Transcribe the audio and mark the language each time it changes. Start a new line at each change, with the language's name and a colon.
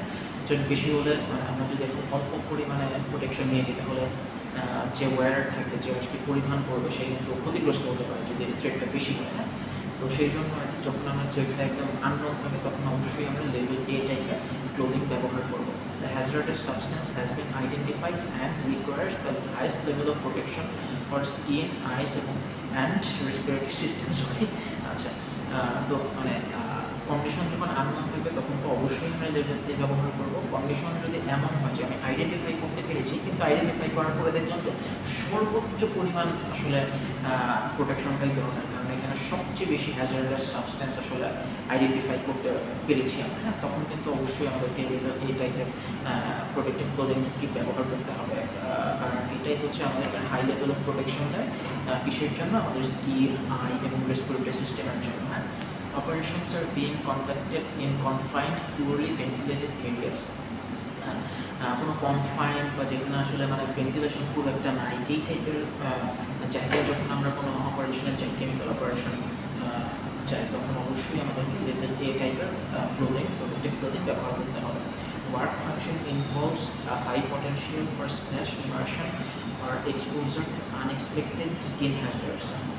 Bangla: হ্যাঁ, ট্রেড বেশি হলে মানে আমরা যদি একটু অল্প পরিমাণে প্রোটেকশন নিয়ে যাই তাহলে যে ওয়্যার থাকবে যে আজকে পরিধান করবে সে কিন্তু ক্ষতিগ্রস্ত হতে পারে যদি ট্রেডটা বেশি হয়। হ্যাঁ, তো সেই জন্য আর কি যখন আমরা ট্রেডটা একদম আনন থাকে তখন অবশ্যই আমরা লেভেল এ টাইপের ক্লোদিং ব্যবহার করবো।
English: The hazardous substance has been identified and requires the highest level of protection for skin, eyes and respiratory system.
Bangla: আচ্ছা, তো মানে কন্ডিশন যখন এমন থাকবে তখন তো অবশ্যই আমরা লেভেল এ ব্যবহার করবো। কন্ডিশন যদি এমন হয় যে আমি আইডেন্টিফাই করতে পেরেছি কিন্তু আইডেন্টিফাই করার পরে দেখলাম যে সর্বোচ্চ পরিমাণ আসলে প্রোটেকশনটাই দরকার, কারণ এখানে সবচেয়ে বেশি হ্যাজার্ডাস সাবস্টেন্স আসলে আইডেন্টিফাই করতে পেরেছি আমরা। হ্যাঁ, তখন কিন্তু অবশ্যই আমাদেরকে লেভেল এ টাইপের প্রোটেকটিভ ক্লোদিং কি ব্যবহার করতে হবে, কারণ এটাই হচ্ছে আমাদের এখানে হাই লেভেল অফ প্রোটেকশন দেয় কিসের জন্য, আমাদের স্কিন, আই এবং রেসপিরেটরি সিস্টেমের জন্য।
English: হ্যাঁ, operations are being conducted in confined poorly ventilated areas.
Bangla: কোনো কনফাইন্ড বা যেখানে আসলে মানে ভেন্টিলেশন খুব একটা নাই এই টাইপের জায়গায় যখন আমরা কোনো অপারেশনে যাই, কেমিক্যাল অপারেশন যাই, তখন অবশ্যই আমাদেরকে লেভেল এ টাইপের ক্লোদিং প্রোটেক্টিভ ক্লোদিং ব্যবহার করতে হবে।
English: Work function involves high potential for splash, immersion আর exposure to unexpected skin hazards.